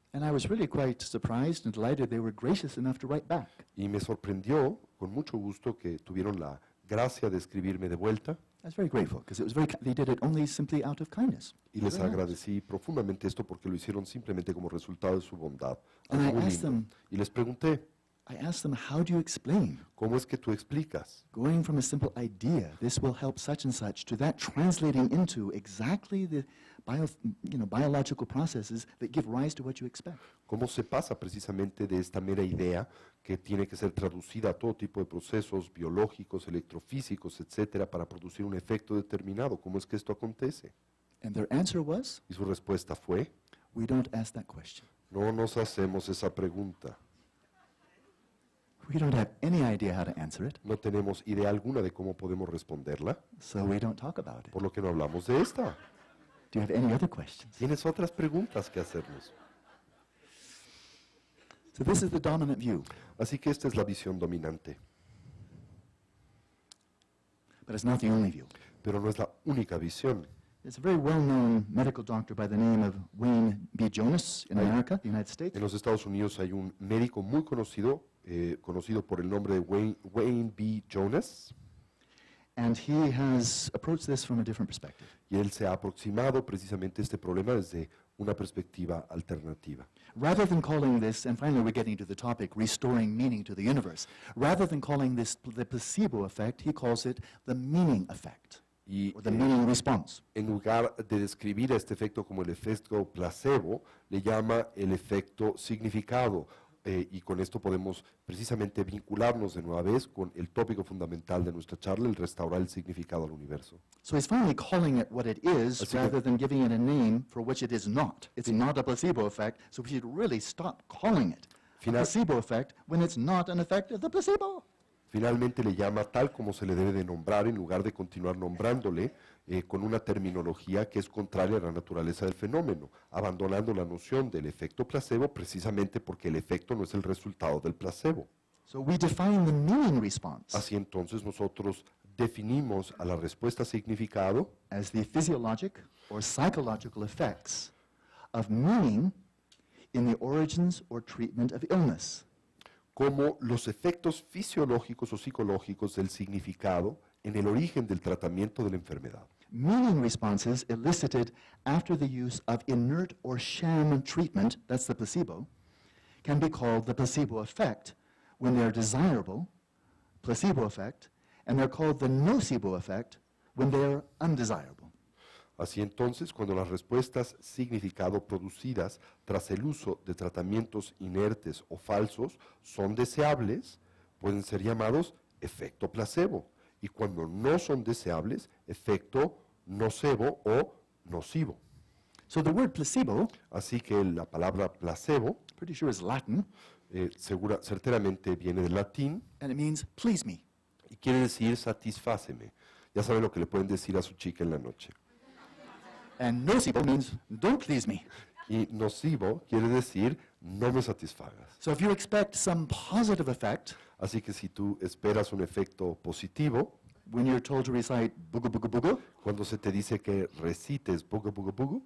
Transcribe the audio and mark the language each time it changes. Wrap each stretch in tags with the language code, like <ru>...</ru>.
<en>And I was really quite surprised and delighted they were gracious enough to write back.</en> <es>Y me sorprendió con mucho gusto que tuvieron la gracia de escribirme de vuelta.</es> <en>I was very grateful because it was very they did it only simply out of kindness.</en> <es>Y les agradecí profundamente esto porque lo hicieron simplemente como resultado de su bondad.</es> <en>And I asked them,</en> <es>y les pregunté,</es> <en>I asked them, how do you explain?</en> <es>¿Cómo es que tú explicas?</es> <en>Going from a simple idea, this will help such and such, to that translating into exactly the biological processes that give rise to what you expect.</en> <es>¿Cómo se pasa precisamente de esta mera idea que tiene que ser traducida a todo tipo de procesos biológicos, electrofísicos, etcétera, para producir un efecto determinado? ¿Cómo es que esto acontece?</es> <en>And their answer was,</en> <es>y su respuesta fue,</es> <en>we don't ask that question.</en> <es>No nos hacemos esa pregunta.</es> <en>We don't have any idea how to answer it.</en> <es>No tenemos idea alguna de cómo podemos responderla.</es> <en>So we don't talk about it.</en> <es>Por lo que no hablamos de esta.</es> <en>Do you have any other questions?</en> <es>¿Tienes otras preguntas que hacernos?</es> <en>So this is the dominant view.</en> <es>Así que esta es la visión dominante.</es> <en>But it's not the only view.</en> <es>Pero no es la única visión.</es> <en>There's a very well-known medical doctor by the name of Wayne B. Jonas in America, the United States.</en> <es>En los Estados Unidos hay un médico muy conocido, conocido por el nombre de Wayne B. Jonas.</es> <en>And he has approached this from a different perspective.</en> <es>Y él se ha aproximado precisamente a este problema desde una perspectiva alternativa.</es> <en>Rather than calling this, and finally we're getting to the topic, restoring meaning to the universe. Rather than calling this the placebo effect, he calls it the meaning effect,</en> <es>y</es> <en>or the meaning response.</en> <es>En lugar de describir a este efecto como el efecto placebo, le llama el efecto significado. Y con esto podemos precisamente vincularnos de nueva vez con el tópico fundamental de nuestra charla, el restaurar el significado al universo.</es> <en>So he's finally calling it what it is, así rather than giving it a name for which it is not. It's not a placebo effect, so we should really stop calling it a placebo effect when it's not an effect of the placebo.</en> <es>Finalmente le llama tal como se le debe de nombrar, en lugar de continuar nombrándole con una terminología que es contraria a la naturaleza del fenómeno, abandonando la noción del efecto placebo precisamente porque el efecto no es el resultado del placebo.</es> <en>So we define the meaning response.</en> <es>Así entonces nosotros definimos a la respuesta significado</es> <en>as the physiologic or psychological effects of meaning in the origins or treatment of illness.</en> <es>Como los efectos fisiológicos o psicológicos del significado en el origen del tratamiento de la enfermedad.</es> <en>Meaning responses elicited after the use of inert or sham treatment, that's the placebo, can be called the placebo effect when they're desirable, placebo effect, and they're called the nocebo effect when they're undesirable.</en> <es>Así entonces, cuando las respuestas significado producidas tras el uso de tratamientos inertes o falsos son deseables, pueden ser llamados efecto placebo. Y cuando no son deseables, efecto nocebo o nocivo.</es> <en>So the word placebo,</en> <es>así que la palabra placebo,</es> <en>pretty sure is Latin,</en> <es>certeramente viene del latín,</es> <en>and it means please me.</en> <es>Y quiere decir satisfáceme. Ya sabe lo que le pueden decir a su chica en la noche.</es> <en>And nocebo means don't please me.</en> <es>Y nocivo quiere decir no me satisfagas.</es> <en>So if you expect some positive effect,</en> <es>así que si tú esperas un efecto positivo,</es> <en>when you're told to recite buga buga buga,</en> <es>cuando se te dice que recites buga buga buga,</es>